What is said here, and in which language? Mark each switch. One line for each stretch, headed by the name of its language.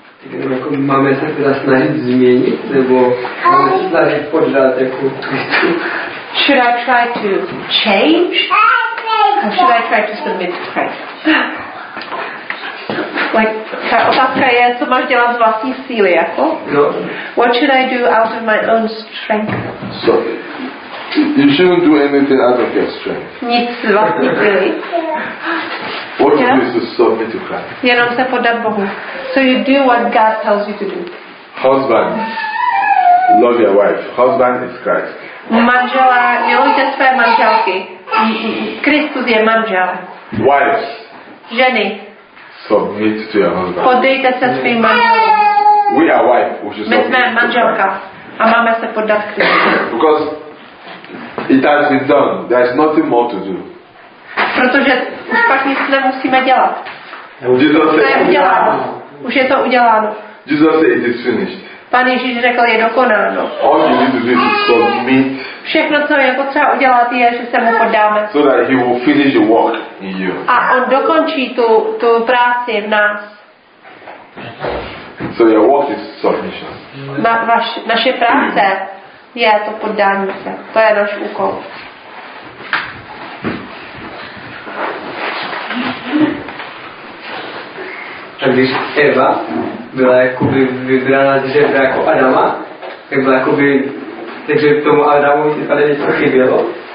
Czech: Jako máme se teda snažit změnit, nebo máme se snažit poddat jako Kristu?
English: Should I try to change? Or should I try to submit to Christ?
Czech: Like, ta otázka je, co máš dělat z vlastní síly, jako?
English: No. What should I do out of my own strength? So, you shouldn't do anything out of your strength.
Czech: Nic z vlastní síly.
English: What do you do to submit to Christ?
Czech: Jenom se poddat Bohu.
English: So you do what God tells you to do. Husband, love your wife. Husband is Christ.
Czech: Manžela, milujte své manželky. Kristus je manžel.
English: Wives.
Czech: Ženy.
English: Submit to your husband.
Czech: Poddejte se svým manželům.
English: We are wife, we should submit.
Czech: My jsme manželka a máme se poddat Kristu.
English: Because it has been done. There is nothing more to do.
Czech: Protože už pak nic nemusíme dělat.
English: Jesus
Czech: to je uděláno. Už je to uděláno.
English: Jesus said it is finished.
Czech: Pán Ježíš řekl, je dokonáno.
English: All you need to do is submit.
Czech: Všechno, co je potřeba udělat, je, že se mu poddáme.
English: So that he will finish the work in you.
Czech: A on dokončí tu práci v nás.
English: So your work is submission.
Czech: Naše práce je to poddání se. To je náš úkol. Tak když Eva byla jakoby vybrána z žebra jako Adama, tak byla jakoby, takže tomu Adamu si tady něco chybělo.